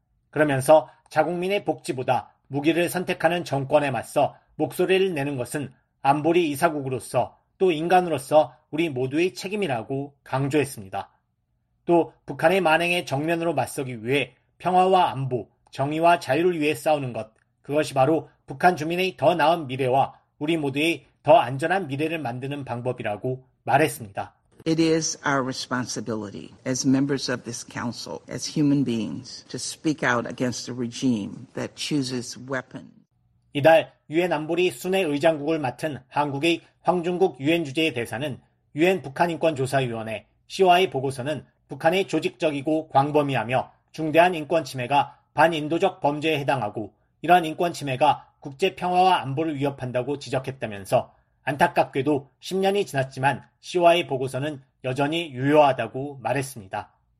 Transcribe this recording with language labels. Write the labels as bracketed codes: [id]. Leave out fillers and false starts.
[ko] 그러면서 자국민의 복지보다 무기를 선택하는 정권에 맞서 목소리를 내는 것은 안보리 이사국으로서 또 인간으로서 우리 모두의 책임이라고 강조했습니다. 또 북한의 만행에 정면으로 맞서기 위해 평화와 안보, 정의와 자유를 위해 싸우는 것, 그것이 바로 북한 주민의 더 나은 미래와 우리 모두의 더 안전한 미래를 만드는 방법이라고 말했습니다. [en] It is our responsibility as members of this council, as human beings, to speak out against a regime that chooses weapons. [ko] 이달 유엔 안보리 순회 의장국을 맡은 한국의 황중국 유엔 주재 대사는 유엔 북한인권조사위원회 COI 보고서는 북한의 조직적이고 광범위하며 중대한 인권 침해가 반인도적 범죄에 해당하고 이러한 인권 침해가 국제 평화와 안보를 위협한다고 지적했다면서 안타깝게도 10년이 지났지만 CY 보고서는 여전히 유효하다고 말했습니다.